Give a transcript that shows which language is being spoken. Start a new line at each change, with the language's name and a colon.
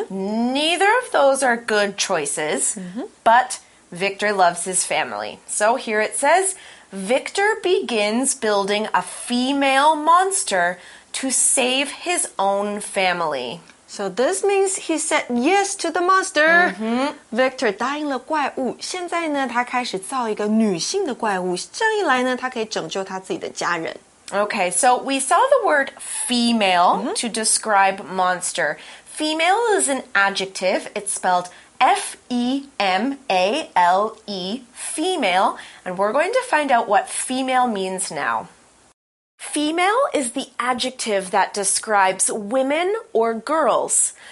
English: Neither of those are good choices, but... Victor loves his family. So here it says, Victor begins building a female monster to save his own family. So this means he said yes to the monster.
Chinese: Victor 答应了怪物。现在呢，他开始造一个女性的怪物。这样一来呢，他可以拯救他自己的家人。
English: Okay, so we saw the word female to describe monster. Female is an adjective. It's spelled F-E-M-A-L-E, female, and we're going to find out what female means now. Female is the adjective that describes women or girls.